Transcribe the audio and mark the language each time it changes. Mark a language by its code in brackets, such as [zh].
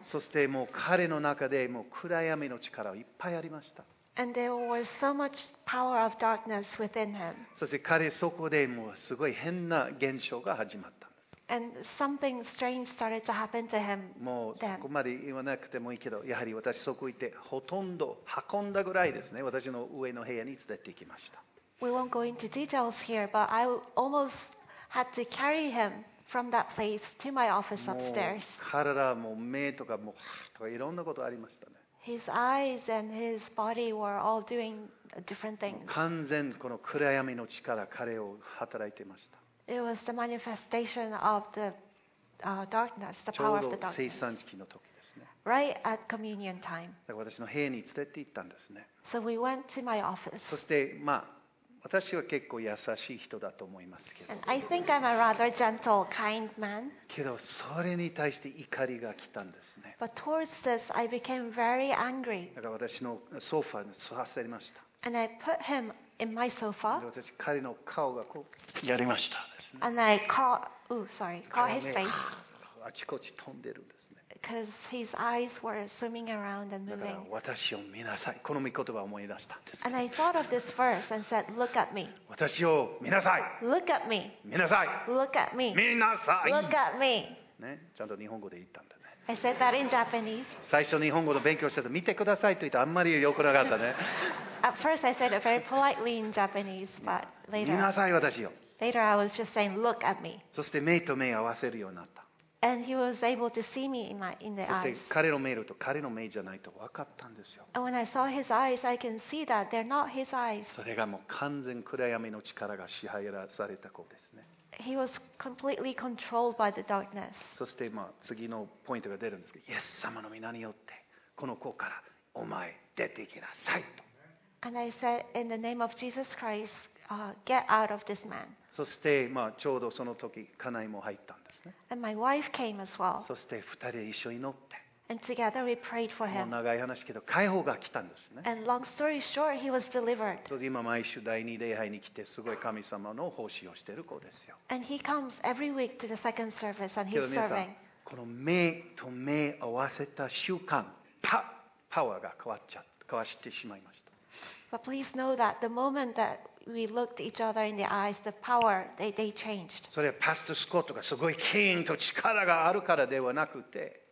[ja] そしてもう彼の中でもう暗闇の力いっぱいありました。 [en] And there was so much power of darkness within him. [ja] そして彼そこでもうすごい変な現象が始まったんです。 [en] And something strange started to happen to him. [ja] もうそこまで言わなくてもいいけど、やはり私そこ行ってほとんど運んだぐらいですね。私の上の部屋に連れて行きました。 [en] We won't go into details here, but I almost had to carry him from that place to my office upstairs. [ja] もう体も目とかもうとかいろんなことありましたね。 [en] His eyes and his body were all doing different things. [ja] 完全この暗闇の力彼を働いていました。 [en] It was the manifestation of the darkness, the power of the darkness. [ja] ちょうど生産式の時ですね。 [en] Right at communion time. [ja] 私の部屋に連れて行ったんですね。 [en] So we went to my office. [ja] そしてまあ私は結構優しい人だと思いますけど。 [en] And I think I'm a rather gentle, kind man. [ja] けどそれに対して怒りが来たんです。 [en] But towards this, I became very angry. [ja] だから私のソファに座せりました。 [en] And I put him in my sofa. [ja] 私彼の顔がこうやりました。 [en] And I caught his face. [ja] あちこち飛んでるんですね。 [en] Because his eyes were swimming around and moving. [ja] だから私を見なさい。この御言葉を思い出したんです。 [en] And I thought of this verse and said, "Look at me." [ja] 私を見なさい。 [en] Look at me. [ja] 見なさい。 [en] Look at me. [ja] 見なさい。 [en] Look at me. [ja] ね、ちゃんと日本語で言ったんだ。 [en] I said that in Japanese. [ja] 最初日本語の勉強したと見てくださいと言ったあんまり良くなかったね。 [en] At first I said it very politely in Japanese, but later. [ja] 見なさい私よ。 [en] Later I was just saying, look at me. [ja] そして目と目合わせるようになった。 [en] And he was able to see me in the eyes. [ja] そして彼の目と彼の目じゃないと分かったんですよ。 [en] And when I saw his eyes, I can see that they're not his eyes. [ja] それがもう完全暗闇の力が支配された子ですね。 [en] He was completely controlled by the darkness. [ja] そしてまあ次のポイントが出るんですけど、イエス様の皆によってこの子からお前出て行きなさいと。 [en] And I said, in the name of Jesus Christ, get out of this man. [ja] そしてまあちょうどその時家内も入ったんですね。 [en] And my wife came as well. [ja] そして二人一緒に祈って。 [en] And together we prayed for him. [ja] 長い話けど解放が来たんですね。 [en] And long story short, he was delivered. [ja] そして今毎週第二礼拝に来てすごい神様の奉仕をしている子ですよ。 [en] And he comes every week to the second service and he's serving. [ja] この目と目合わせた瞬間、パワーが変わってしまいました。 [en] But please know that the moment that we looked each other in the eyes, the power, they changed. [ja] それはパスタ・スコットがすごい権威と力があるからではなくて、